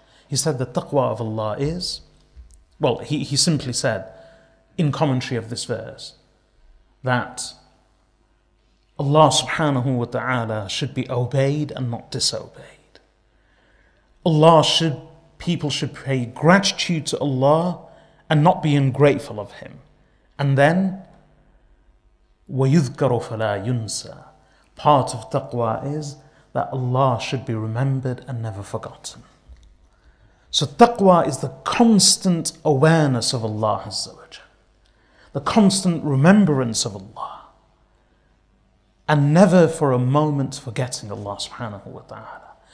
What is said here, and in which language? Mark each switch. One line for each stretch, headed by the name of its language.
English: He said the taqwa of Allah is, well, he simply said in commentary of this verse that Allah subhanahu wa ta'ala should be obeyed and not disobeyed. Allah should, people should pay gratitude to Allah and not be ungrateful of Him. And then,
Arabic: وَيُذْكَرُ فَلَا يُنْسَى.
English: Part of taqwa is that Allah should be remembered and never forgotten. So taqwa is the constant awareness of Allah Azza wa Jalla, the constant remembrance of Allah, and never for a moment forgetting Allah subhanahu wa ta'ala.